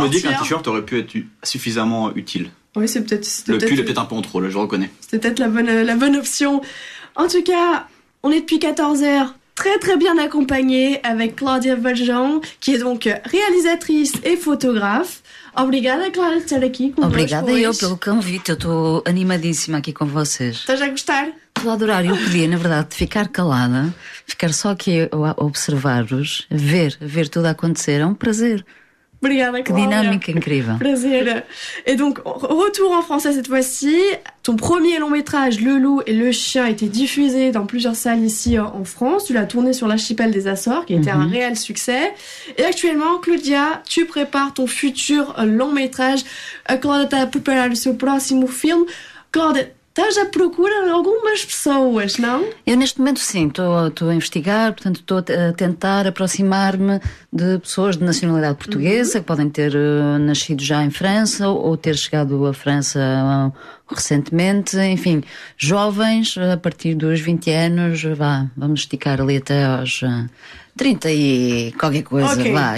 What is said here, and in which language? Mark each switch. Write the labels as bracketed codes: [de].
[fr] je me dis qu'un t-shirt aurait pu être suffisamment utile. Oui, c'est peut-être... Pull est peut-être un peu en trop, là, je reconnais. C'était peut-être la bonne option. En tout cas, on est depuis 14h. Très très bien accompagnée avec Claudia Valjean, qui est donc réalisatrice et photographe. [pt] Obrigada, Claudia, de estar aqui com Obrigada eu pelo convite, eu estou animadíssima aqui com vocês. Estás a gostar? Estou a adorar, eu podia, na verdade, ficar calada, ficar só aqui a observar-vos, ver tudo acontecer, é um prazer. Obrigada, Claudia. Que dinâmica incrível. Prazer. [fr] E donc, retour en français cette fois-ci. Ton premier long métrage, Le Loup et le Chien, a été diffusé dans plusieurs salles ici en France. Tu l'as tourné sur l'archipel des Açores, qui a été un réel succès. Et actuellement, Claudia, tu prépares ton futur long métrage. Claudia, tu as préparé ce prochain film. [pt] Claudia, estás à procura de algumas pessoas, não? Eu neste momento sim, estou a investigar, portanto estou a tentar aproximar-me de pessoas de nacionalidade portuguesa que podem ter nascido já em França ou ter chegado à França recentemente, enfim, jovens a partir dos 20 anos, vamos esticar ali até aos 30 e qualquer coisa, okay. Vá.